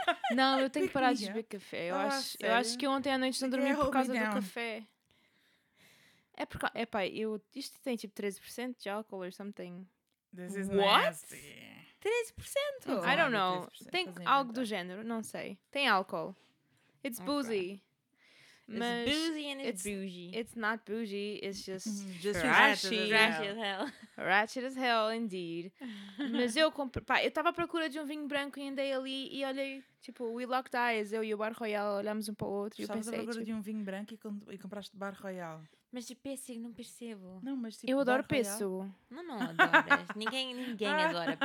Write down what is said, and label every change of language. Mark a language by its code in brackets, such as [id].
[pt] Não, eu tenho que parar de beber café. Eu acho que ontem à noite não dormi por causa do café. É porque, é pá, isto tem tipo 13% de álcool [en] or something. This is what? Nasty. 13%? Oh, I don't know. [pt] Tem algo do género, não sei. Tem álcool. [en] It's okay. Boozy. It's boozy and it's bougie. It's not bougie, it's just trashy. Ratchet as hell. Ratchet as hell, indeed. [pt] Mas eu comprei, pá, eu estava à procura de um vinho branco e andei ali e olhei, tipo, [en] we locked eyes, [pt] eu e o Bar Royal olhamos um para o outro. Estavas à procura tipo, de um vinho branco e compraste Bar Royal. Mas de pêssego, não percebo. Não, mas tipo, eu adoro pêssego. Não, não adoras. Ninguém adora.